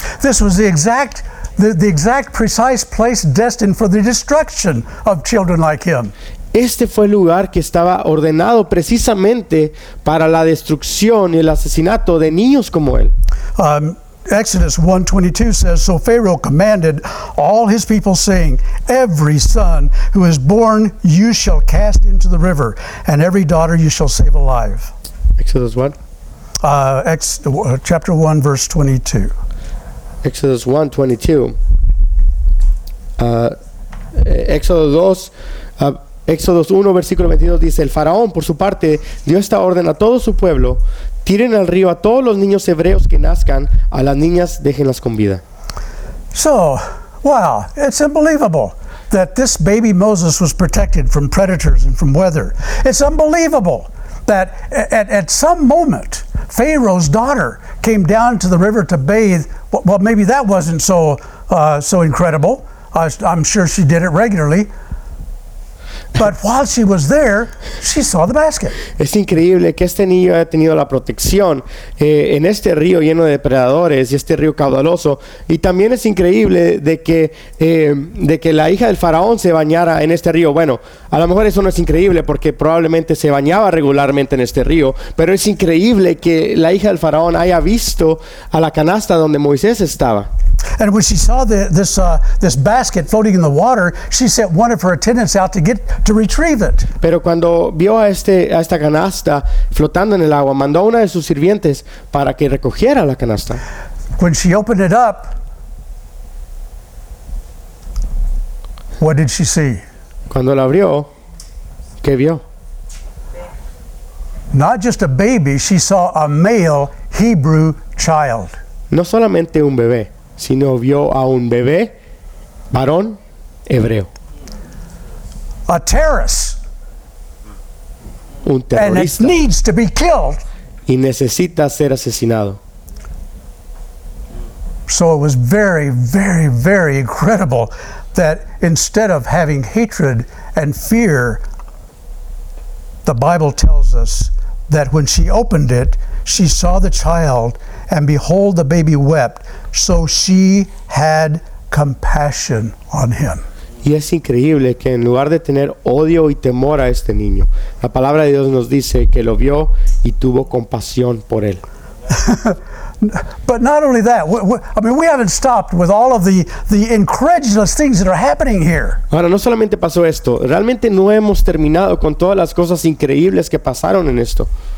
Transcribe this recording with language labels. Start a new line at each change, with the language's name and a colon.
English: This was the exact precise place destined for the destruction of children like him.
Spanish: Este fue el lugar que estaba ordenado precisamente para la destrucción y el asesinato de niños como él.
English: Exodus 1:22 says, "So Pharaoh commanded all his people, saying, 'Every son who is born you shall cast into the river, and every daughter you shall save alive.'" Exodus what? Chapter 1, verse 22. Exodus 1, 22.
Spanish: Exodus 1, versículo 22 dice, "El faraón, por su parte, dio esta orden a todo su pueblo: tiren al río a todos los niños hebreos que nazcan, a las niñas déjenlas con vida."
English: So, wow, it's unbelievable that this baby Moses was protected from predators and from weather. It's unbelievable that at some moment Pharaoh's daughter came down to the river to bathe. Well, maybe that wasn't so incredible. I'm sure she did it regularly. But while she was there, she saw the basket.
Spanish: Es increíble que este niño haya tenido la protección en este río lleno de depredadores y este río caudaloso. Y también es increíble de que la hija del faraón se bañara en este río. Bueno, a lo mejor eso no es increíble porque probablemente se bañaba regularmente en este río. Pero es increíble que la hija del faraón haya visto a la canasta donde Moisés estaba.
English: And when she saw this basket floating in the water, she sent one of her attendants out to retrieve it.
Spanish: Pero cuando vio a esta canasta flotando en el agua, mandó a una de sus sirvientes para que recogiera la canasta.
English: When she opened it up, what did she see?
Spanish: Cuando la abrió, ¿qué vio?
English: Not just a baby, she saw a male Hebrew child.
Spanish: No solamente un bebé, sino vio a un bebé varón hebreo.
English: A terrorist.
Spanish: Un terrorista.
English: And it needs to be killed.
Spanish: Y necesita ser asesinado.
English: So it was very, very, very incredible that instead of having hatred and fear, the Bible tells us that when she opened it, she saw the child, and behold, the baby wept. So she had compassion on him.
Spanish: Y es increíble que en lugar de tener odio y temor a este niño, la palabra de Dios nos dice que lo vio y tuvo compasión por él.
English: But not only that, we haven't stopped with all of the incredulous things that are happening here.
Spanish: Ahora, no solamente pasó esto, realmente no hemos terminado con todas las cosas increíbles que pasaron en esto.